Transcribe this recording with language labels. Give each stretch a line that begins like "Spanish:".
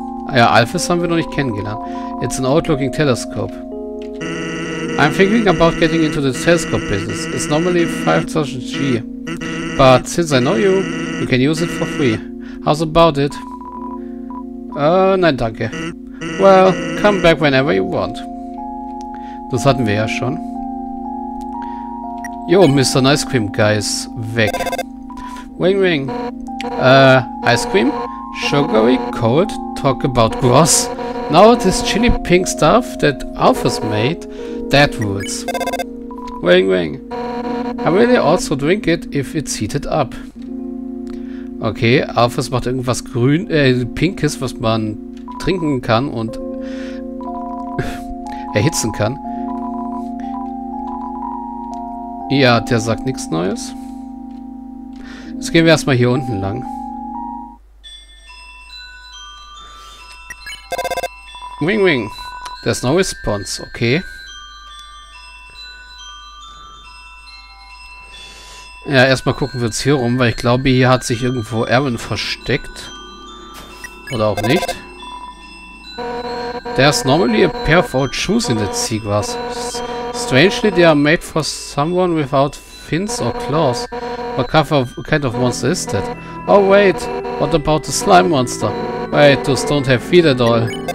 German: Ah ja, Alphys haben wir noch nicht kennengelernt.
English: It's an outlooking telescope. I'm thinking about getting into the telescope business. It's normally 5000 G. But since I know you, you can use it for free. How's about it?
German: Nein, danke.
English: Well, come back whenever you want.
German: Das hatten wir ja schon.
English: Jo, Mr. Ice Cream Guy
German: ist weg.
English: Wing wing. Ice cream? Sugary? Cold? Talk about gross. Now this chili pink stuff that Alphys made, that rules. Wing wing. I really also drink it if it's heated up.
German: Okay, Alphys macht irgendwas grün, pinkes, was man trinken kann und erhitzen kann. Ja, der sagt nichts Neues. Jetzt gehen wir erstmal hier unten lang.
English: Wing wing. There's no response. Okay.
German: Ja, erstmal gucken wir uns hier rum, weil ich glaube, hier hat sich irgendwo Erwin versteckt. Oder auch nicht.
English: There's normally a pair of old shoes in the seagrass. Strangely, they are made for someone without fins or claws. What kind of monster is that? Oh wait, what about the slime monster? Wait, those don't have feet at all.